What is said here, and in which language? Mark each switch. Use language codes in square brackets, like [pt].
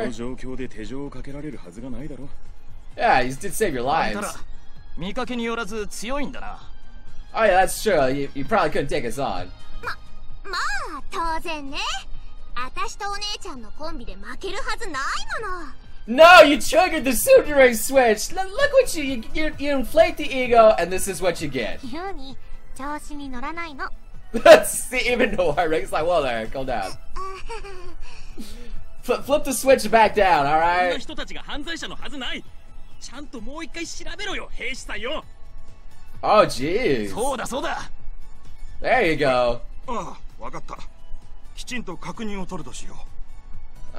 [ja] この状況で手錠をかけられるはずがないだろ? [en] Yeah, you did save your lives. [ja] 見かけによらず強いんだな。 [en] Oh yeah, that's true. You probably couldn't take us on. [ja] まあ、当然ね。私とお姉ちゃんのコンビで負けるはずないもの。 [en] No, you triggered the tsundere switch! Look what you inflate the ego, and this is what you get. [ja] Yuri, 調子に乗らないの。 [en] See, even Noir is like, well, there, calm down. flip the switch back down, alright? [ja] この人たちが犯罪者のはずない。ちゃんともう一回調べろよ、兵士さんよ。 [en] Oh, jeez. [ja] そうだそうだ。 [en] There you go. [ja] わかった。きちんと確認を取るとしよう。